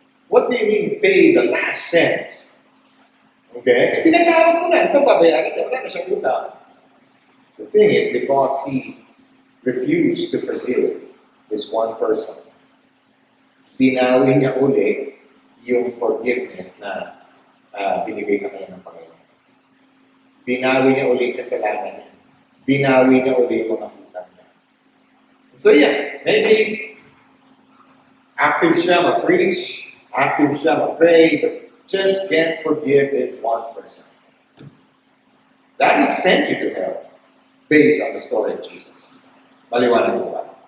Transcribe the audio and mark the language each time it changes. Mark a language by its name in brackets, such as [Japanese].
[English] What do you mean, pay the last cent? [Filipino] Okay? Pinatawag mo na. Ito ba bayaran? Wala na siyang utang. [English] The thing is, because he refused to forgive this one person, [Filipino] binawi niya uli yung forgiveness na binigay sa kanya ng Panginoon. Binawi niya uli ang kasalanan niya. Binawi niya uli ang mga utang niya. [English] So yeah, maybe active [Filipino] siya mag-preach, [English] active [Filipino] siya mag-pray, [English] but just can't forgive this one person. That will send you to hell based on the story of Jesus. [Filipino] Maliwanag mo ba?